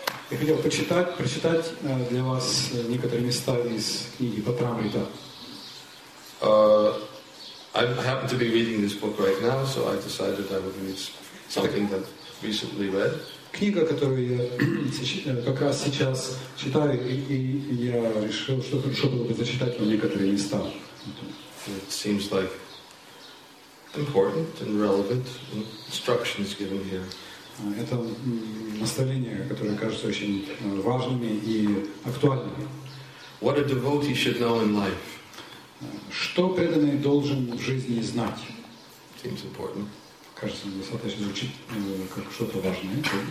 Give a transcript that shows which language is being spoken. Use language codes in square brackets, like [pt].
[ru] Я хотел прочитать для вас некоторые места из книги Патрамрита. [en] I happen to be reading this book right now, so I decided I would read something that recently read. [ru] Книга, которую я как раз сейчас читаю, и я решил, что хорошо было бы зачитать вам некоторые места. [en] It seems like important and relevant instructions given here. [ru] Это наставления, которые кажутся очень важными и актуальными. [en] What a devotee should know in life. [ru] Что преданный должен в жизни знать? [en] Seems important. [ru] Кажется, достаточно звучит как что-то важное.